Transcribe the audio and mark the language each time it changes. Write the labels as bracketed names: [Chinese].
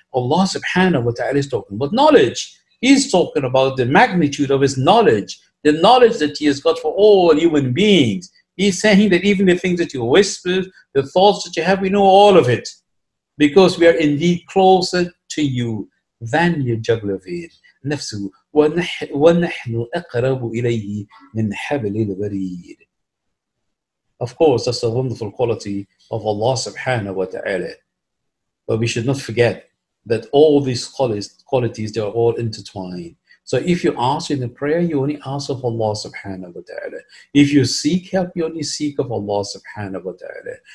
[English] Allah subhanahu wa ta'ala is talking about knowledge. He's talking about the magnitude of his knowledge, the knowledge that he has got for all human beings. He's saying that even the things that you whisper, the thoughts that you have, we know all of it. Because we are indeed closer to you than your jugular vein. [Arabic] Nafsu, وَنَحْنُ أَقْرَبُ إِلَيْهِ مِنْ حَبْلِ الْوَرِيدِ. [English] Of course, that's a wonderful quality of Allah subhanahu wa ta'ala. But we should not forget that all these qualities, they are all intertwined. So if you ask in the prayer, you only ask of Allah subhanahu wa ta'ala. If you seek help, you only seek of Allah subhanahu wa ta'ala.